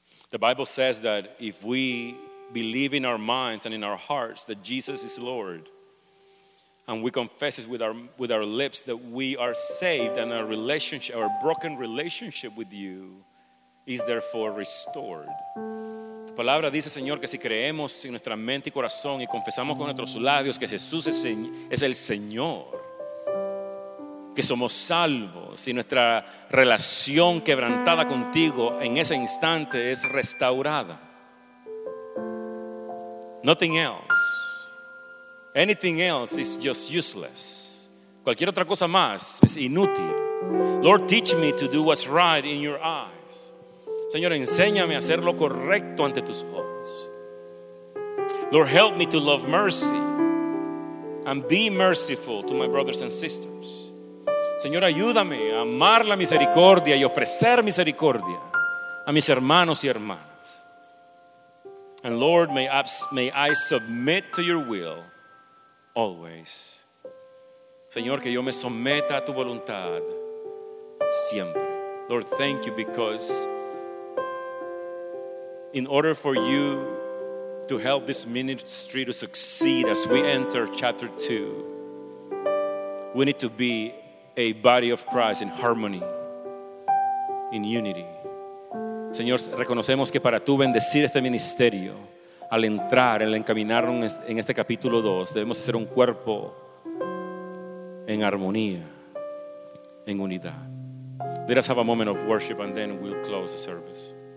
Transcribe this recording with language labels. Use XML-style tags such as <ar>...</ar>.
<en>The Bible says that if we believe in our minds and in our hearts that Jesus is Lord, and we confess it with our lips that we are saved, and our relationship, our broken relationship with you, is therefore restored.</en> <es>Tu palabra dice, Señor, que si creemos en nuestra mente y corazón y confesamos con nuestros labios que Jesús es el Señor, que somos salvos, y nuestra relación quebrantada contigo en ese instante es restaurada.</es> <en>Nothing else. Anything else is just useless.</en> <es>Cualquier otra cosa más es inútil.</es> <en>Lord, teach me to do what's right in your eyes.</en> <es>Señor, enséñame a hacer lo correcto ante tus ojos.</es> <en>Lord, help me to love mercy and be merciful to my brothers and sisters.</en> <es>Señor, ayúdame a amar la misericordia y ofrecer misericordia a mis hermanos y hermanas.</es> <en>And Lord, may I submit to your will always.</en> <es>Señor, que yo me someta a tu voluntad siempre.</es> <en>Lord, thank you, because in order for you to help this ministry to succeed as we enter chapter 2, we need to be a body of Christ in harmony, in unity.</en> <es>Señor, reconocemos que para tú bendecir este ministerio, al entrar, al encaminar en este capítulo 2, debemos hacer un cuerpo en armonía, en unidad.</es> <en>Let us have a moment of worship and then we'll close the service.</en>